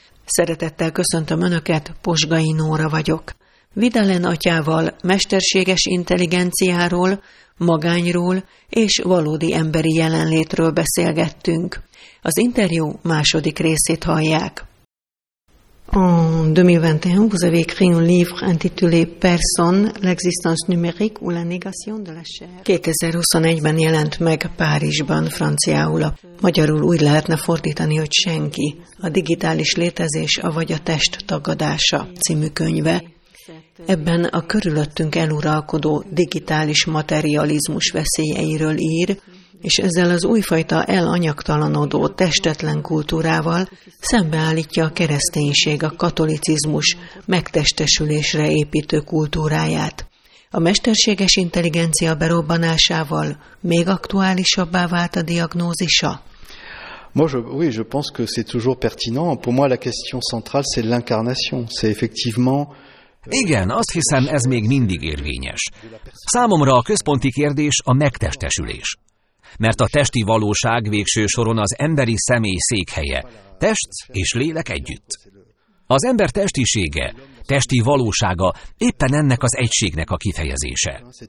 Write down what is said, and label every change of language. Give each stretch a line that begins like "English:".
Hungarian: Szeretettel köszöntöm Önöket, Posgai Nóra vagyok. Videlin atyával mesterséges intelligenciáról, magányról és valódi emberi jelenlétről beszélgettünk. Az interjú második részét hallják.
French: En 2021, vous avez écrit un livre intitulé Personne, l'existence numérique ou la négation de la chair.
Hungarian: 2021-ben jelent meg Párizsban franciául. Magyarul úgy lehetne fordítani, hogy senki, a digitális létezés vagy a test tagadása című könyve. Ebben a körülöttünk eluralkodó digitális materializmus veszélyeiről ír, és ezzel az újfajta elanyagtalanodó testetlen kultúrával szembeállítja a kereszténység a katolicizmus megtestesülésre építő kultúráját. A mesterséges intelligencia berobbanásával még aktuálisabbá vált a diagnózisa?
French: Je pense que c'est toujours pertinent. Pour moi, la question centrale, c'est l'incarnation. C'est effectivement...
Hungarian: Igen, azt hiszem, ez még mindig érvényes. Számomra a központi kérdés a megtestesülés. Mert a testi valóság végső soron az emberi személy székhelye, test és lélek együtt. Az ember testisége, testi valósága éppen ennek az egységnek a kifejezése.